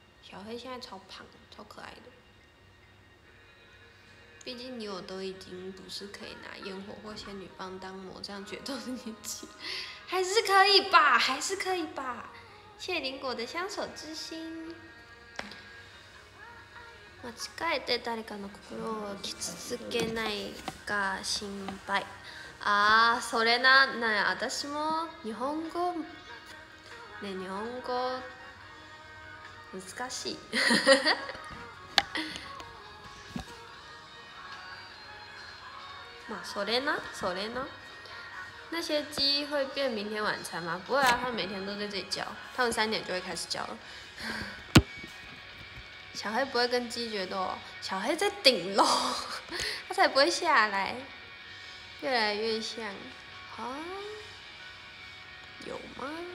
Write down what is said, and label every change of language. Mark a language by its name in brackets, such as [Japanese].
[Chinese] 小黑现在超胖，超可爱的。毕竟你我都已经不是可以拿烟火或仙女棒当魔杖决斗的年纪，还是可以吧，还是可以吧。谢林果的相守之心。 [Japanese] 間違えて誰かの心を傷つけないか心配。あ、それな、な、私も日本語、ね、日本語。難しい。まあそれな、それな。 [Chinese] 那些鸡会变明天晚餐吗？不会啊，它每天都在这里叫，它们三点就会开始叫了。小黑不会跟鸡决斗，小黑在顶楼，它才不会下来。越来越像，啊，有。吗？